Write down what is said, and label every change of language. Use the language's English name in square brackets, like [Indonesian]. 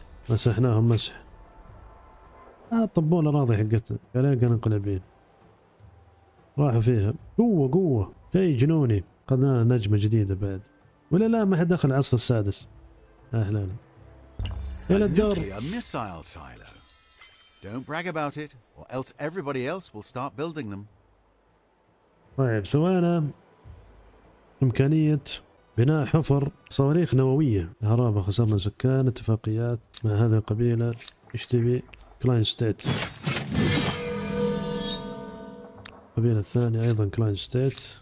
[Arabic] مسحناهم مسح. طبون الاراضي حقتنا، قلق انقلابيين. راحوا فيها. قوة قوة. شيء جنوني. اخذنا نجمة جديدة بعد. ولا لا ما حد دخل العصر السادس. اهلا. الى الدور. ميسايل سايلو. [English] Don't brag about it or else everybody else will start building them. [Arabic] طيب سوينا إمكانية بناء حفر صواريخ نووية. هرابة، خسرنا سكان، اتفاقيات مع هذه القبيلة. ايش تبي؟ كلاين ستيت. القبيلة الثانية ايضا كلاين ستيت.